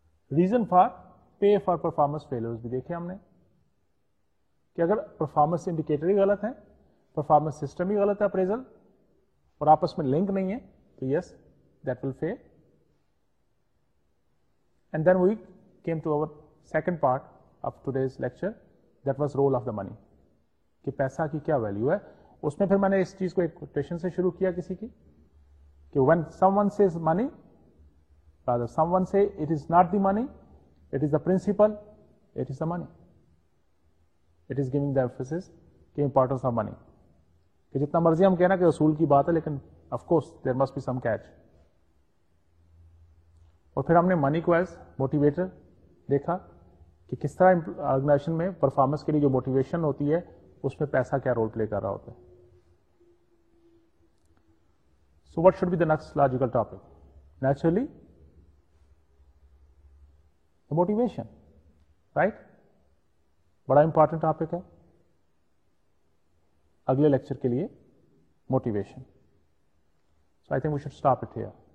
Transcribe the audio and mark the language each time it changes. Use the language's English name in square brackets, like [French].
[Urdu] Reason for pay for performance failures بھی دیکھے ہم نے، کہ اگر پرفارمنس انڈیکیٹر ہی غلط ہیں، پرفارمنس سسٹم ہی غلط ہے اپریزل، اور آپس میں لنک نہیں ہے، [English] تو yes that will fail. And then we came to our second part of today's lecture, that was rule of the money, [Urdu] کہ پیسہ کی کیا ویلیو ہے. اس میں پھر میں نے اس چیز کو ایک کوٹیشن سے شروع کیا کسی کی کہ [English] when someone says money, rather someone say it is not the money, it is the principle, it is the money. It is giving the emphasis کہ importance of money. [Urdu] کہ جتنا مرضی ہم کہنا کہ اصول کی بات ہے لیکن [English] of course there must be some catch. [Urdu] اور پھر ہم نے money کو as motivator دیکھا کہ کس طرح organization میں performance کے لیے جو motivation ہوتی ہے اس میں پیسہ کیا رول پلے کر رہا ہوتا ہے. [English] So what should be the next logical topic? Naturally, the motivation, right? [Urdu] Bada important topic hai. Agle lecture ke liye, [English] motivation. So I think we should stop it here.